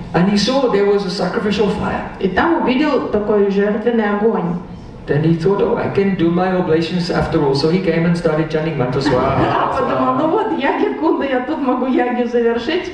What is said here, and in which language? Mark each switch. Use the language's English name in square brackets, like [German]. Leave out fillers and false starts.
[English] And he saw there was a sacrificial fire. [Russian] И там увидел такой жертвенный огонь. [English] Then he thought, oh, I can do my oblations after all. So he came and started chanting mantra swaha. [Russian] Подумал, ну вот, я тут могу ягью завершить.